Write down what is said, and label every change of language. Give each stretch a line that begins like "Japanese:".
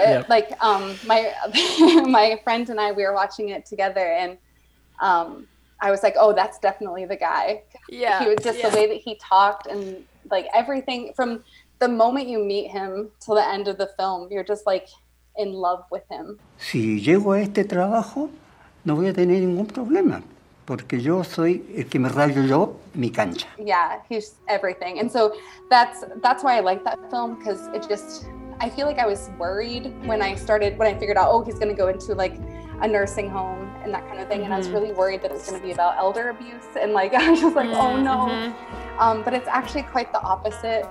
English: Like, my friend and I, we were watching it together, and I was like, oh, that's definitely the guy. Yeah. He was just the way that he talked, and like everything from the moment you meet him till the end of the film, you're just like in love with him.
Spanish: Si llego a este trabajo, no voy a tener ningún problema. Porque yo soy el que me rayo yo mi cancha.
English: Yeah, he's everything. And so that's why I like that film, because it just, I feel like I was worried when I figured out, oh, he's going to go into like a nursing home and that kind of thing. Mm-hmm. And I was really worried that it was going to be about elder abuse. And like, I was just like, mm-hmm. oh no. Mm-hmm. But it's actually quite the opposite.